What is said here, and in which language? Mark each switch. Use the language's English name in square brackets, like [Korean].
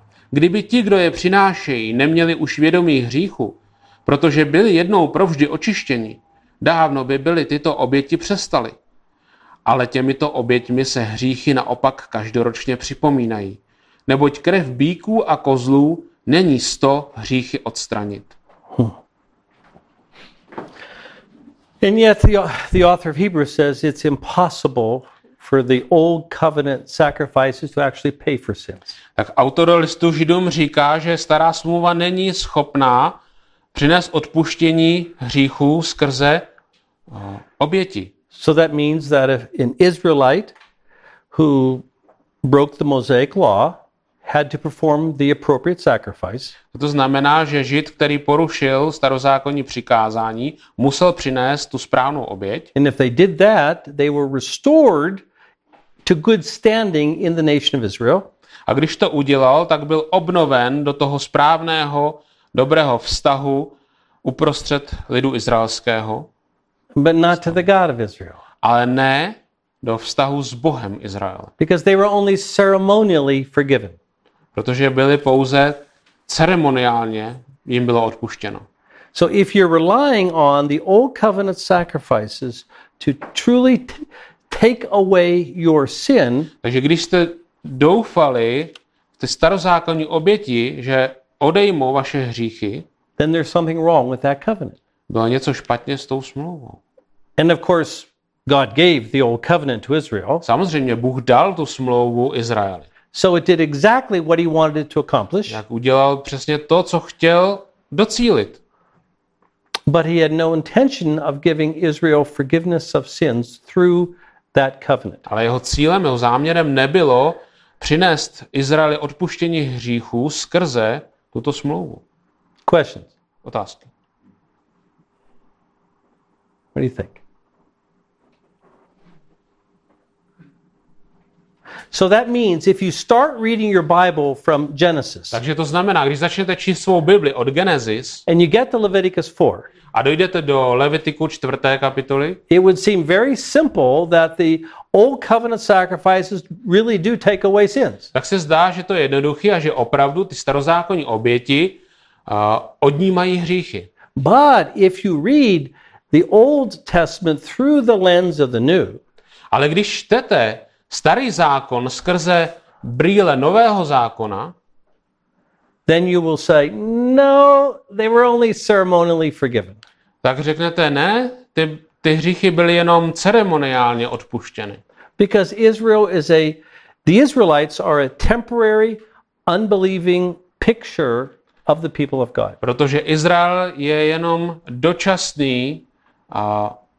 [Czech] Kdyby ti, kdo je přinášejí, neměli už vědomí hříchu, protože byli jednou provždy očištěni, dávno by byly tyto oběti přestaly. Ale těmito oběťmi se hříchy naopak každoročně připomínají. Neboť krev bíků a kozlů není sto hříchy odstranit. [English] And yet the author of Hebrews says it's impossible for the old covenant sacrifices to actually pay for sins. [Czech] Tak autor listu Židům říká, že stará smlouva není schopná přinést odpuštění hříchů skrze oběti. [English] So that means that if an Israelite who broke the Mosaic law had to perform the appropriate sacrifice. [Czech] To znamená, že Žid, který porušil starozákonní přikázání, musel přinést tu správnou oběť. [English] And if they did that, they were restored to good standing in the nation of Israel. [Czech] A když to udělal, tak byl obnoven do toho správného, dobrého vztahu uprostřed lidu izraelského. [English] But not to the God of Israel. [Czech] Ale ne do vztahu s Bohem Izraele. [English] Because they were only ceremonially forgiven. [Czech] Protože byly pouze ceremoniálně jim bylo odpuštěno. [English] So if you're relying on the old covenant sacrifices to truly take away your sin, [Czech] takže když jste doufali v ty starozákonní oběti, že odejmou vaše hříchy, [English] then there's something wrong with that covenant. [Czech] Bylo něco špatně s tou smlouvou. [English] And of course God gave the old covenant to Israel. [Czech] Samozřejmě Bůh dal tu smlouvu Izraeli. [English] So it did exactly what he wanted it to accomplish. [Czech] Jak udělal přesně to, co chtěl docílit. [English] But he had no intention of giving Israel forgiveness of sins through that covenant. [Czech] Ale jeho cílem, jeho záměrem nebylo přinést Izraeli odpuštění hříchů skrze tuto smlouvu. [English] Questions. [Czech] Otázky. [English] What do you think? So that means if you start reading your Bible from Genesis. [Czech] Takže to znamená, když začnete číst svou Bibli od Genesis. [English] And you get to Leviticus 4. [Czech] A dojdete do Levitiku 4. kapitoly. [English] It would seem very simple that the old covenant sacrifices really do take away sins. [Czech] Tak se zdá, že to je jednoduché a že opravdu ty starozákonní oběti odnímají hříchy. [English] But if you read the Old Testament through the lens of the New. [Czech] Ale když čtete Starý zákon skrze brýle Nového zákona, [English] then you will say, no, they were only ceremonially forgiven. [Czech] Tak řeknete, ne, ty hříchy byly jenom ceremoniálně odpuštěny. [English] Because Israel is a, the Israelites are a temporary, unbelieving picture of the people of God. [Czech] Protože Izrael je jenom dočasný a